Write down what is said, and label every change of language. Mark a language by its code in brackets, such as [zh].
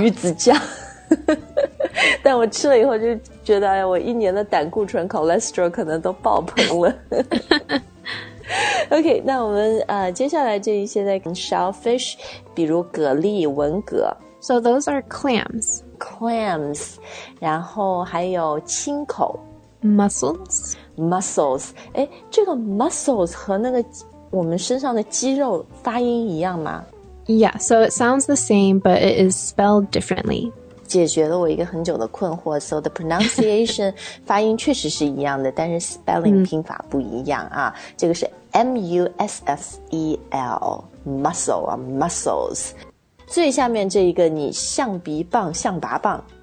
[zh] 鱼子酱但我吃了以后就觉得、哎、我一年的胆固醇 cholesterol 可能都爆棚了OK 那我们、接下来这一些 shellfish 比如蛤蜊文蛤 [en] So those are clams [zh] clams, 然后还有青口 [en] mussels, mussels. [zh] 诶，这个 mussels 和那个我们身上的肌肉发音一样吗？ [en] Yeah, so it sounds the same, but it is spelled differently. [zh] 解决了我一个很久的困惑 [en] So the pronunciation [zh] 发音确实是一样的但是 spelling 拼法不一样啊、嗯、这个是 M-U-S-S-E-L Muscle 啊 Muscles 最下面这一个你象鼻棒象拔棒